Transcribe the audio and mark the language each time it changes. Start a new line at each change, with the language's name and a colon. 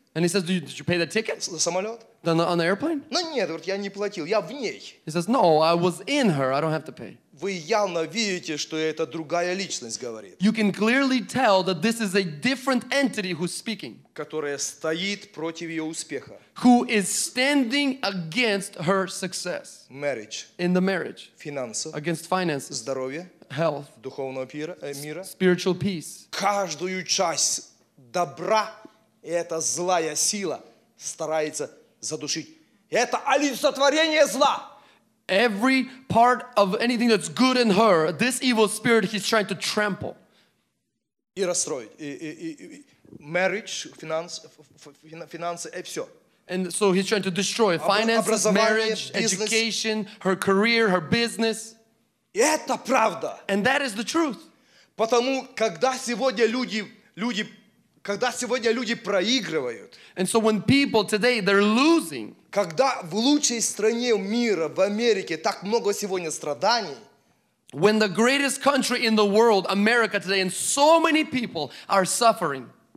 English: And he says, did you pay the ticket?
Russian: За самолет?
English: On the airplane?
Russian: Ну нет, я не платил, я в ней.
English: He says, no, I was in her, I don't have to pay.
Russian: Вы явно видите, что это другая личность говорит.
English: You can clearly tell that this is a different entity who's speaking.
Russian: Которая стоит против ее успеха.
English: Who is standing against her success. Marriage. In the marriage.
Russian: Финансы.
English: Against finances.
Russian: Здоровье.
English: Health.
Russian: Духовного мира.
English: Spiritual peace.
Russian: Каждую часть добра, эта злая сила старается задушить. Это олицетворение зла.
English: Every part of anything that's good in her, this evil spirit he's trying to trample.
Russian: И расстроить. И marriage, финансы, и все.
English: And so he's trying to destroy finances, marriage, education, her career, her business.
Russian: И это правда.
English: And that is the truth.
Russian: Потому когда сегодня люди когда сегодня люди проигрывают,
English: and so when people today, they're losing,
Russian: когда в лучшей стране мира, в Америке, так много сегодня страданий,
English: when the greatest country in the world, America today, and so many people are suffering,